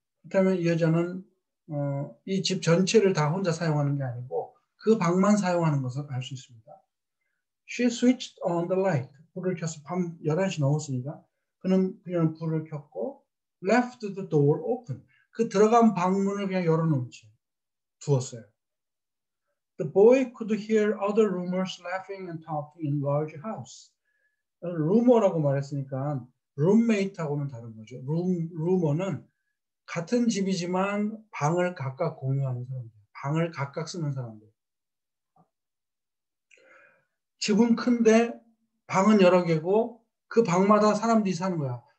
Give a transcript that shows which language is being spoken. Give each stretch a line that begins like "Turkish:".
Korean: 그렇다면 이 여자는 이 집 전체를 다 혼자 사용하는 게 아니고 그 방만 사용하는 것을 알 수 있습니다.
English: She switched on the light.
Korean: 불을 켜서 밤 11시 넘었으니까 그녀는 불을 켰고
English: left the door open.
Korean: 그 들어간 방문을 그냥 열어놓은 채 두었어요.
English: The boy could hear other rumors laughing and talking in large house.
Korean: 루머라고 말했으니까 룸메이트하고는 다른 거죠. 루머는 같은 집이지만 방을 각각 공유하는 사람들, 방을 각각 쓰는 사람들. 집은 큰데 방은 여러 개고 그 방마다 사람들이 사는 거야.